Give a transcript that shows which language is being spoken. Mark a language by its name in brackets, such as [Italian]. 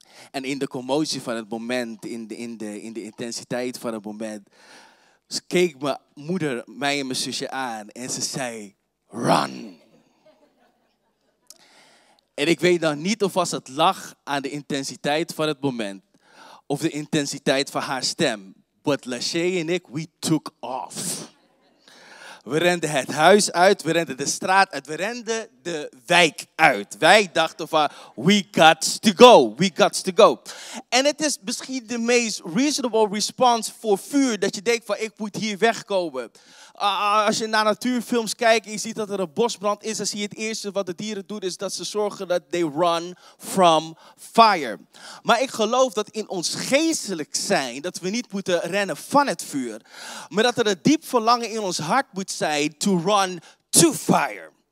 [Dutch] En in de commotie van het moment, in de intensiteit van het moment, keek mijn moeder mij en mijn zusje aan en ze zei, run. En ik weet dan niet of was het lag aan de intensiteit van het moment of de intensiteit van haar stem. [English] But Lachey [Dutch] en ik, [English] we took off. [Dutch] We renden het huis uit, we renden de straat uit, we renden de wijk uit. Wij dachten van, [English] we got to go, we got to go. [Dutch] En het is misschien de meest [English] reasonable response [Dutch] voor vuur, dat je denkt van, ik moet hier wegkomen. Als je naar natuurfilms kijkt en je ziet dat er een bosbrand is, dan zie je het eerste wat de dieren doen, is dat ze zorgen dat [English] they run from fire. [Dutch] Maar ik geloof dat in ons geestelijk zijn, dat we niet moeten rennen van het vuur, maar dat er een diep verlangen in ons hart moet zijn [English] to run to fire.